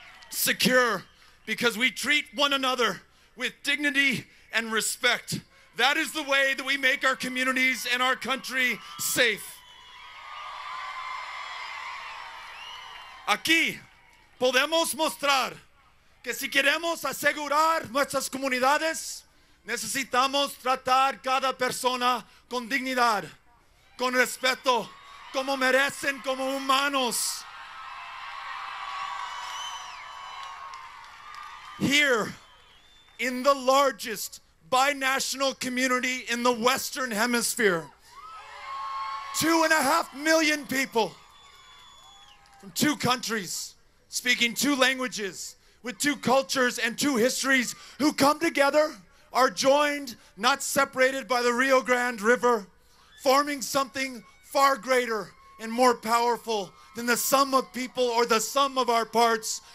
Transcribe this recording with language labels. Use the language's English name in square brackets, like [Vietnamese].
[English] Secure because we treat one another with dignity and respect. That is the way that we make our communities and our country safe. [Spanish] Aquí podemos mostrar que si queremos asegurar nuestras comunidades, necesitamos tratar cada persona con dignidad, con respeto, como merecen como humanos. [English] Here, in the largest binational community in the Western Hemisphere, 2.5 million people from two countries, speaking two languages, with two cultures and two histories, who come together, are joined, not separated by the Rio Grande River, forming something far greater and more powerful than the sum of people or the sum of our parts.